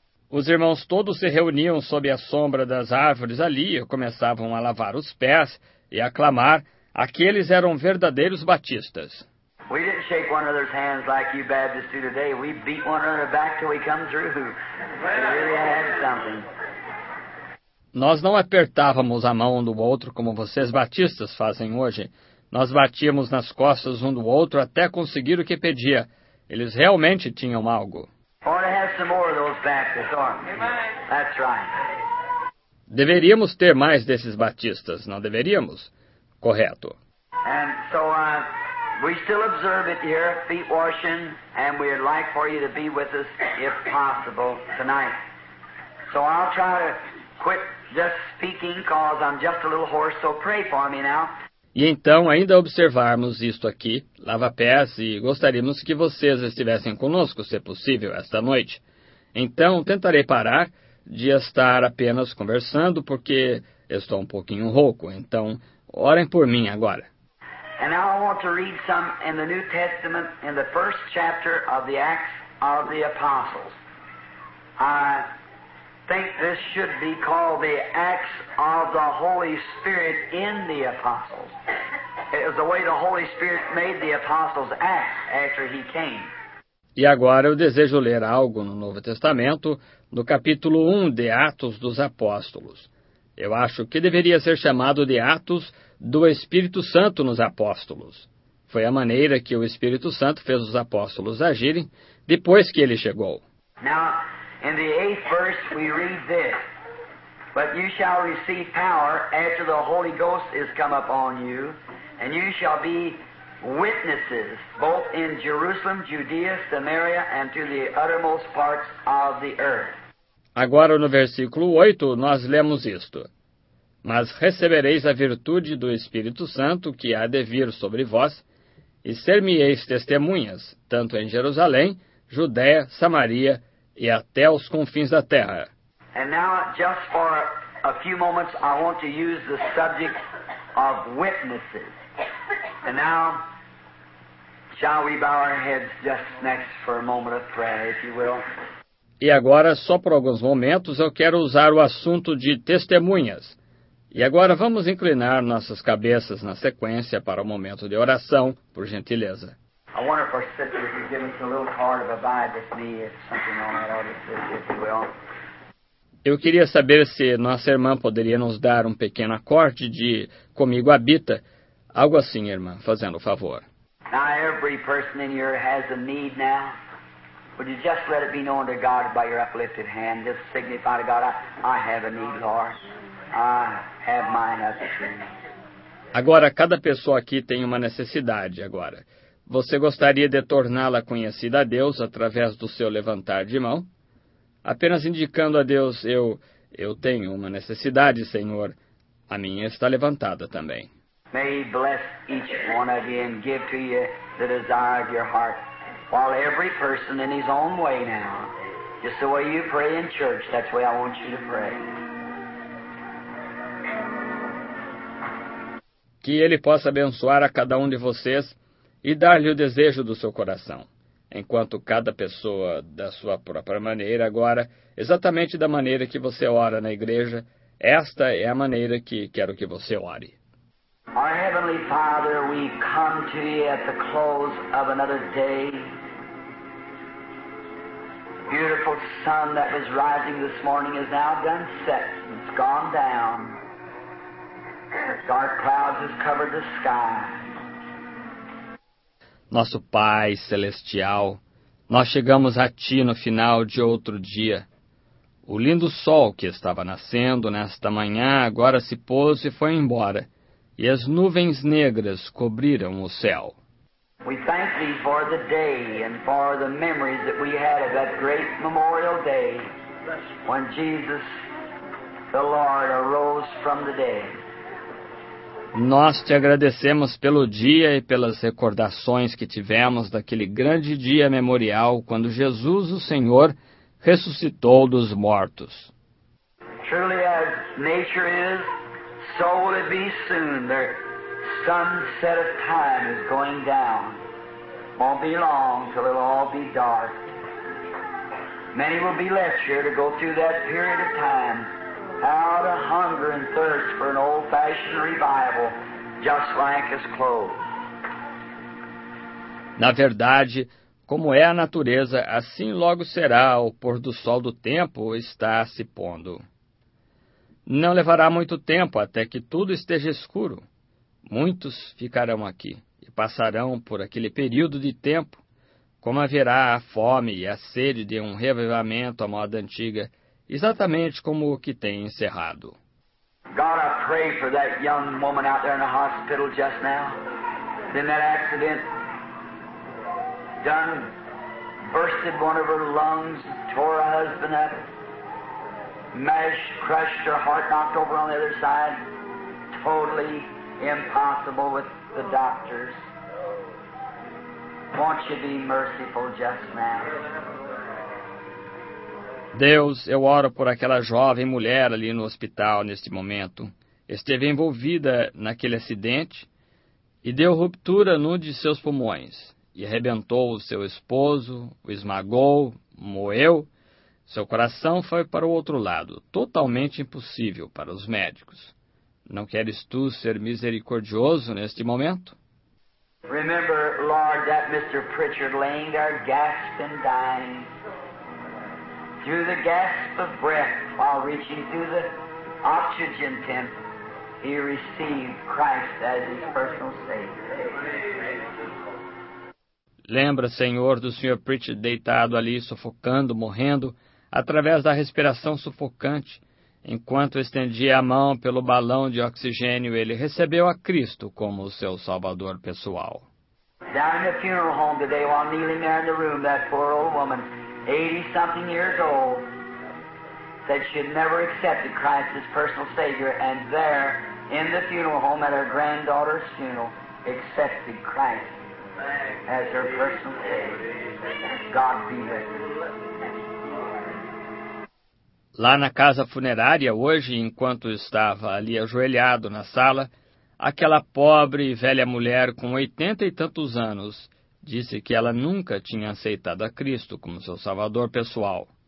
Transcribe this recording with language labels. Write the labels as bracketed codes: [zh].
[pt] Os irmãos todos se reuniam sob a sombra das árvores ali e começavam a lavar os pés e a clamar. Aqueles eram verdadeiros batistas. [en] We didn't shake one another's hands like you Baptists do today. We beat one another back till we come through. We really had something. [pt] Nós não apertávamos a mão um do outro como vocês batistas fazem hoje. Nós batíamos nas costas um do outro até conseguir o que pedia. Eles realmente tinham algo. [en] We ought to have some more of those Baptists, aren't we? That's right. [pt] Deveríamos ter mais desses batistas, não deveríamos? Correto. [en] And so we still observe it here, feet washing, and we'd like for you to be with us if possible tonight. So I'll try to quit just speaking because I'm just a little hoarse, so pray for me now. [pt] E então, ainda observarmos isto aqui, lava-pés, e gostaríamos que vocês estivessem conosco, se possível, esta noite. Então, tentarei parar de estar apenas conversando porque estou um pouquinho rouco. Então, orem por mim agora. [en] And now I want to read some in the New Testament in the first chapter of the Acts of the Apostles. I think this should be called the Acts of the Holy Spirit in the Apostles. It was the way the Holy Spirit made the Apostles act after he came. [pt] E agora eu desejo ler algo no Novo Testamento, no capítulo 1 de Atos dos Apóstolos. Eu acho que deveria ser chamado de Atos do Espírito Santo nos Apóstolos. Foi a maneira que o Espírito Santo fez os apóstolos agirem depois que ele chegou. [en] Now, in the 8th verse, we read this. But you shall receive power after the Holy Ghost is come upon you, and you shall be witnesses both in Jerusalem, Judea, Samaria, and to the uttermost parts of the earth. [pt] Agora, no versículo 8, nós lemos isto. Mas recebereis a virtude do Espírito Santo que há de vir sobre vós, e ser-me-eis testemunhas, tanto em Jerusalém, Judéia, Samaria e até os confins da terra. [en] And now, just for a few moments, I want to use the subject of witnesses. And now, shall we bow our heads just next for a moment of prayer, if you will? [pt] E agora, só por alguns momentos, eu quero usar o assunto de testemunhas. E agora vamos inclinar nossas cabeças na sequência para o momento de oração, por gentileza. [en] I wonder if our sister can give us a little card of abide with me, if something on that order, if you will. [pt] Eu queria saber se nossa irmã poderia nos dar um pequeno acorde de Comigo Habita. Algo assim, irmã, fazendo o favor. [en] Now every person in here has a need now. Would you just let it be known to God by your uplifted hand? Just signify to God, I have a need, Lord. I have mine up to you. [pt] Agora, cada pessoa aqui tem uma necessidade agora. Você gostaria de torná-la conhecida a Deus através do seu levantar de mão? Apenas indicando a Deus, eu tenho uma necessidade, Senhor. A minha está levantada também. [en] May he bless each one of you and give to you the desire of your heart. While every person in his own way now, just the way you pray in church, that's the way I want you to pray. [pt] Que ele possa abençoar a cada um de vocês e dar-lhe o desejo do seu coração. enquanto cada pessoa da sua própria maneira, agora, exatamente da maneira que você ora na igreja, esta é a maneira que quero que você ore. [en] Our Heavenly Father, we come to thee at the close of another day. Beautiful sun that was rising this morning is now done set. It's gone down. Dark clouds have covered the sky. [pt] Nosso Pai Celestial, nós chegamos a Ti no final de outro dia. O lindo sol que estava nascendo nesta manhã agora se pôs e foi embora, e as nuvens negras cobriram o céu. [en] We thank Thee for the day and for the memories that we had of that great memorial day when Jesus the Lord arose from the dead. [pt] Nós te agradecemos pelo dia e pelas recordações que tivemos daquele grande dia memorial quando Jesus, o Senhor, ressuscitou dos mortos. [en] Truly as nature is, so will it be soon. The sunset of time is going down. Won't be long till it'll all be dark. Many will be left here to go through that period of time. Out of hunger and thirst for an old-fashioned revival, just like his clothes. [pt] Na verdade, como é a natureza, assim logo será o pôr do sol do tempo está se pondo. Não levará muito tempo até que tudo esteja escuro. Muitos ficarão aqui e passarão por aquele período de tempo, como haverá a fome e a sede de um reavivamento à moda antiga, exatamente como o que tem encerrado. [en] God, I pray for that young woman out there in the hospital just now. In that accident, done bursted one of her lungs, tore her husband up, mashed, crushed her heart, knocked over on the other side. Totally impossible with the doctors. Won't you be merciful just now? [pt] Deus, eu oro por aquela jovem mulher ali no hospital neste momento. Esteve envolvida naquele acidente e deu ruptura num de seus pulmões. E arrebentou o seu esposo, o esmagou, moeu. Seu coração foi para o outro lado, totalmente impossível para os médicos. Não queres tu ser misericordioso neste momento? [en] Remember, Lord, that Mr. Pritchard laying there gasping, dying. Through the gasp of breath, while reaching through the oxygen tent, he received Christ as his personal Savior. [pt] Lembra, Senhor, do Sr. Pritchard deitado ali, sufocando, morrendo, através da respiração sufocante. Enquanto estendia a mão pelo balão de oxigênio, ele recebeu a Cristo como o seu Salvador pessoal. [en] Down in the funeral home today, while kneeling there in the room, that poor old woman, 80-something years old, said she had never accepted Christ as personal Savior, and there, in the funeral home at her granddaughter's funeral, accepted Christ as her personal Savior. God be with her. [pt] Lá na casa funerária, hoje, enquanto estava ali ajoelhado na sala, aquela pobre e velha mulher com 80 e tantos anos... disse que ela nunca tinha aceitado a Cristo como seu Salvador pessoal.